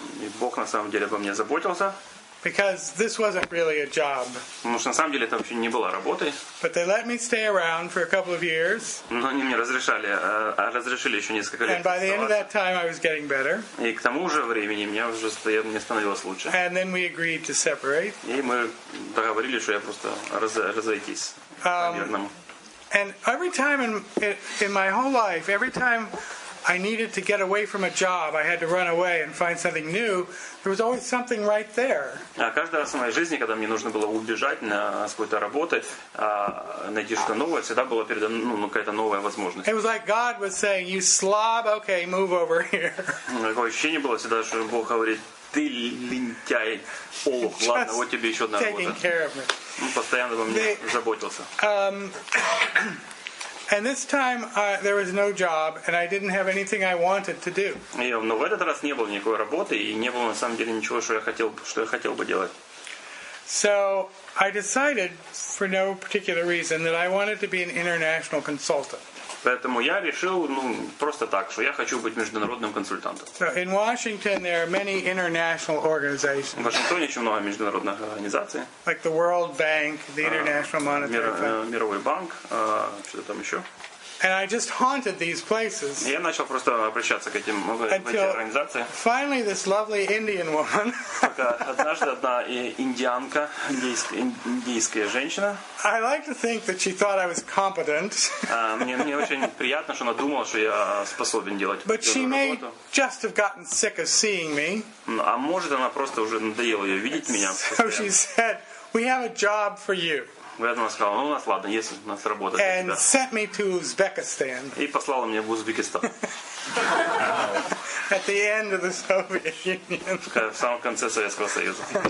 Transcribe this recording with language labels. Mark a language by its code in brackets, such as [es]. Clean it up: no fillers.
[ru] И Бог на самом деле обо мне заботился. [en] Because this wasn't really a job. [ru] Потому что на самом деле это вообще не было работой. [en] But they let me stay around for a couple of years. [ru] Но они мне разрешили еще несколько лет. [en] And by the end of that time, I was getting better. [ru] И к тому же времени мне становилось лучше. [en] And then we agreed to separate. [ru] И мы договорились, что я просто разойтись. [en] And every time in my whole life, every time I needed to get away from a job, I had to run away and find something new, there was always something right there. [ru] А каждый раз в моей жизни, когда мне нужно было убежать на с какой-то работы, найти что-то новое, всегда была передо мной, ну, какая-то новая возможность. [en] It was like God was saying, you slob, okay, move over here. [ru] Такое ощущение было всегда, что Бог говорит: ты лентяй, олух, ладно, вот тебе еще одна работа. [en] Taking care of me. [ru] Постоянно обо мне заботился. [en] And this time there was no job, and I didn't have anything I wanted to do. [ru] Но в этот раз не было никакой работы, и не было на самом деле ничего, что я хотел бы делать. [en] So I decided, for no particular reason, that I wanted to be an international consultant. [ru] Поэтому я решил, ну, просто так, что я хочу быть международным консультантом. [en] So in Washington there are many international organizations. [ru] В Вашингтоне очень много международных организаций. [en] Like the World Bank, the International Monetary Fund. [ru] Мировой банк, что там еще. [en] And I just haunted these places. [ru] Я начал просто обращаться к этим организациям. [en] Finally, this lovely Indian woman. [ru] Однажды одна индианка, индийская женщина. [en] I like to think that she thought I was competent. [ru] Мне очень приятно, что она думала, что я способен делать эту работу. [en] But she may just have gotten sick of seeing me. [ru] А может, она просто уже надоела ее видеть меня. [en] So she said, "We have a job for you." [ru] Поэтому она сказала, ну, у нас, ладно, есть у нас работа для тебя. [en] And sent me to Uzbekistan. [ru] И послала меня в Узбекистан. [en] At the end of the Soviet Union. [ru] В самом конце Советского Союза.